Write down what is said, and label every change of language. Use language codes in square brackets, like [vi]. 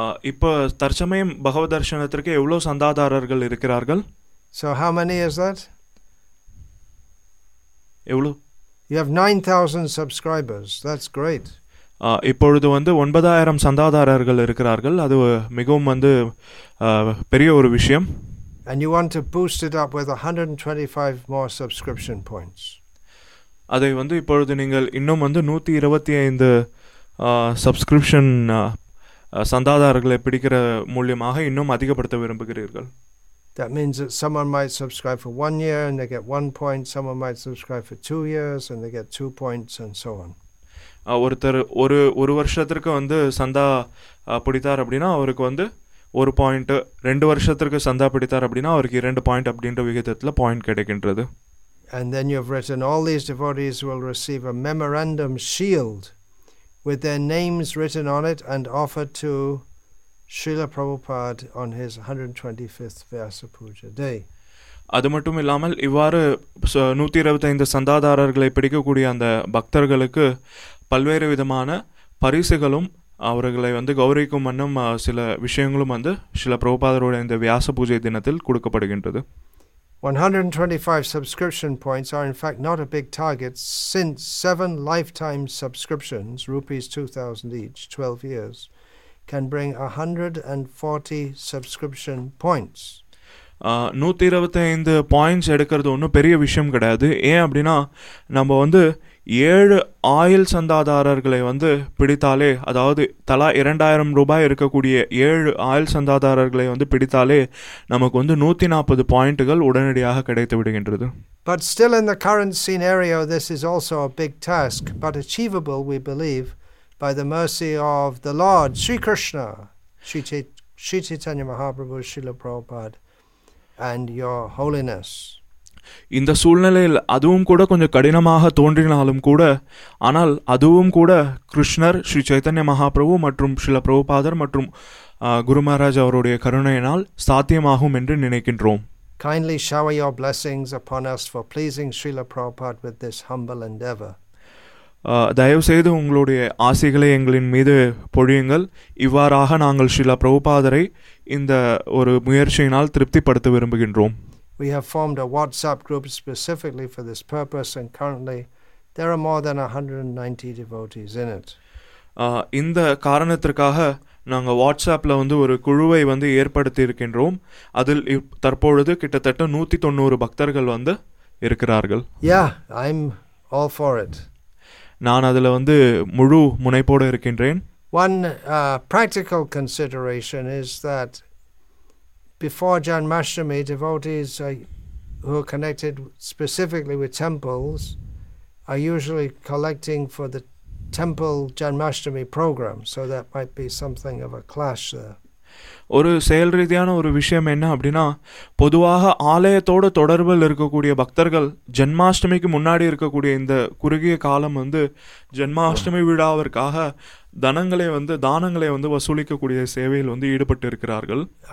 [ta] இப்ப தற்சமயம் பகவத் தர்சனத்திற்கு எவ்வளவு சந்தாதாரர்கள் இருக்கிறார்கள்? [en] So how many is that? [ta] எவ்வளவு? [en] You have 9,000 subscribers. That's great. [ta] இப்பொழுது வந்து 9,000 சந்தாதாரர்கள் இருக்கிறார்கள். அது மிகவும் வந்து பெரிய ஒரு விஷயம். [en] And you want to boost it up with 125 more subscription points. [ta] அதை வந்து இப்பொழுது நீங்கள் இன்னும் வந்து 125 சப்ஸ்கிரிப்ஷன் சந்தாதாரர்களை பிடிக்கிற மூலமாக இன்னும் அதிகப்படுத்த விரும்புகிறீர்கள். [en] That means that someone might subscribe for 1 year and they get 1 point, someone might subscribe for 2 years and they get 2 points and so on. [ta] ஒருத்தர் ஒரு ஒரு வருஷத்திற்கு வந்து சந்தா பிடித்தார் அப்படின்னா அவருக்கு வந்து ஒரு பாயிண்ட், ரெண்டு வருஷத்திற்கு சந்தா பிடித்தார் அப்படின்னா அவருக்கு 2 பாயிண்ட் அப்படின்ற விகிதத்தில் பாயிண்ட் கிடைக்கின்றது. [en] And then you have written, all these devotees will receive a memorandum shield with their names written on it and offered to Srila Prabhupada on his 125th Vyasa Puja day. [ta] அது மட்டும் இல்லாமல் இவ்வாறு 125 சந்தாதாரர்களை பிடிக்கக்கூடிய அந்த பக்தர்களுக்கு பல்வேறு விதமான பரிசுகளும் அவர்களை வந்து கௌரவிக்கும் வண்ணம் சில விஷயங்களும் வந்து சில பிரபுபாதருடைய இந்த வியாச பூஜை தினத்தில் கொடுக்கப்படுகின்றது. [en] 125 subscription points are in fact not a big target, since 7 lifetime subscriptions, rupees 2,000 each, 12 years, can bring 140 subscription points. [ta] 125 points எடுக்கிறது ஒன்றும் பெரிய விஷயம் கிடையாது. ஏன் அப்படின்னா, நம்ம வந்து 7 ஆயில் சந்தாதாரர்களை வந்து பிடித்தாலே, அதாவது தலா 2,000 ரூபாய் இருக்கக்கூடிய 7 ஆயில் சந்தாதாரர்களை வந்து பிடித்தாலே நமக்கு வந்து 140 பாயிண்ட்டுகள் உடனடியாக கிடைத்து விடுகின்றது. [en] But still in the current scenario, this is also a big task, but achievable, we believe, by the mercy of the Lord, Sri Krishna, Sri Chaitanya Mahaprabhu, Srila Prabhupada, and your holiness. [ta] இந்த சூழ்நிலையில் அதுவும் கூட கொஞ்சம் கடினமாக தோன்றினாலும் கூட, ஆனால் அதுவும் கூட கிருஷ்ணர், ஸ்ரீ சைத்தன்ய மகாபிரபு மற்றும் ஸ்ரீல பிரபுபாதர் மற்றும் குரு மகாராஜ் அவருடைய கருணையினால் சாத்தியமாகும் என்று நினைக்கின்றோம். [en] Kindly shower your blessings upon us for pleasing Srila Prabhupada with this humble endeavor. [ta] தயவு செய்து உங்களுடைய ஆசைகளை எங்களின் மீது பொழியுங்கள். இவ்வாறாக நாங்கள் ஸ்ரீல பிரபுபாதரை இந்த ஒரு முயற்சியினால் திருப்திப்படுத்த விரும்புகின்றோம். [en] We have formed a WhatsApp group specifically for this purpose, and currently there are more than 190 devotees in it. [ta] இந்த காரணத்திற்காக நாங்க வாட்ஸ்அப்ல வந்து ஒரு குழுவை வந்து ஏற்படுத்தி இருக்கின்றோம். அதில் தற்பொழுது கிட்டத்தட்ட 190 பக்தர்கள் வந்து இருக்கிறார்கள். [en] Yeah, I'm all for it. [ta] நான் அதுல வந்து முழு முனைப்போடு இருக்கின்றேன். [en] One practical consideration is that before Janmashtami, devotees who are connected specifically with temples are usually collecting for the temple Janmashtami program. So that might be something of a clash there. [ta] ஒரு செயல் ரீதியான ஒரு விஷயம் என்ன அப்படின்னா, பொதுவாக ஆலயத்தோடு தொடர்பில் இருக்கக்கூடிய பக்தர்கள் ஜென்மாஷ்டமிக்கு முன்னாடி இருக்கக்கூடிய இந்த குறுகிய காலம் வந்து ஜென்மாஷ்டமி விழாவிற்காக தனங்களை வந்து தானங்களை வந்து வசூலிக்கக்கூடிய சேவையில் வந்து ஈடுபட்டு இருக்கிறார்கள்.